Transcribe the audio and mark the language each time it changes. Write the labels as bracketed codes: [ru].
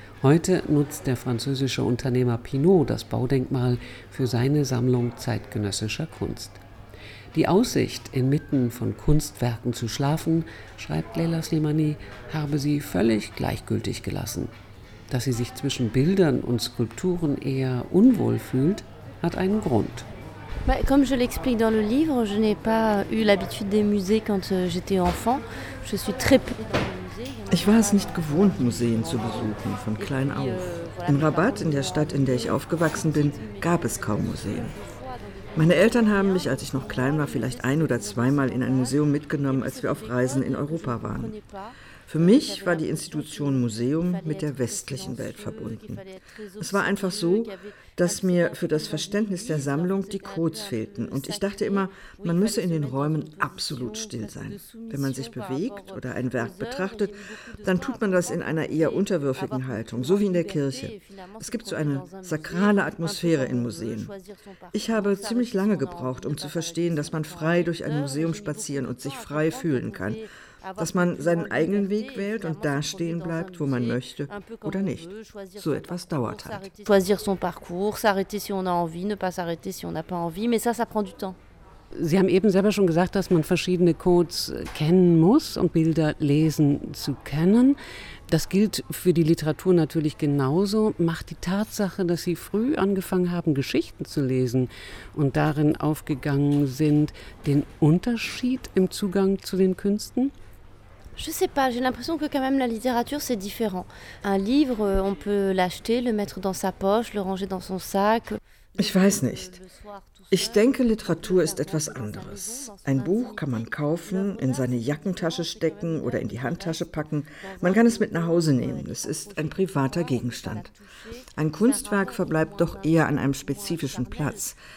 [de] Heute nutzt der französische Unternehmer Pinault das Baudenkmal für seine Sammlung zeitgenössischer Kunst. Die Aussicht, inmitten von Kunstwerken zu schlafen, schreibt Leyla Slimani, habe sie völlig gleichgültig gelassen. Dass sie sich zwischen Bildern und Skulpturen eher unwohl fühlt, hat einen Grund. [fr] Comme je l'explique dans le livre, je n'ai pas eu l'habitude des musées quand j'étais enfant. Je suis très peu. [de] Ich war es nicht gewohnt, Museen zu besuchen, von klein auf. In Rabat, in der Stadt, in der ich aufgewachsen bin, gab es kaum Museen. Meine Eltern haben mich, als ich noch klein war, vielleicht ein- oder zweimal in ein Museum mitgenommen, als wir auf Reisen in Europa waren. Für mich war die Institution Museum mit der westlichen Welt verbunden. Es war einfach so, dass mir für das Verständnis der Sammlung die Codes fehlten. Und ich dachte immer, man müsse in den Räumen absolut still sein. Wenn man sich bewegt oder ein Werk betrachtet, dann tut man das in einer eher unterwürfigen Haltung, so wie in der Kirche. Es gibt so eine sakrale Atmosphäre in Museen. Ich habe ziemlich lange gebraucht, um zu verstehen, dass man frei durch ein Museum spazieren und sich frei fühlen kann. Dass man seinen eigenen Weg wählt und da stehen bleibt, wo man möchte oder nicht. So etwas dauert halt. [fr] Choisir son parcours, s'arrêter si on a envie, ne pas s'arrêter si on n'a pas envie, mais ça, ça prend du temps. [de] Sie haben eben selber schon gesagt, dass man verschiedene Codes kennen muss, um Bilder lesen zu können. Das gilt für die Literatur natürlich genauso. Macht die Tatsache, dass Sie früh angefangen haben, Geschichten zu lesen und darin aufgegangen sind, den Unterschied im Zugang zu den Künsten? [fr] Je sais pas, j'ai l'impression que quand même la littérature c'est différent. Un livre, on peut l'acheter, le mettre dans sa poche, le ranger dans son sac. [de] Ich weiß nicht. Ich denke, Literatur ist etwas anderes. Ein Buch kann man kaufen, in seine Jackentasche stecken oder in die Handtasche packen. Man kann es mit nach Hause nehmen. Es ist ein privater Gegenstand. Ein Kunstwerk verbleibt doch eher an einem spezifischen Platz.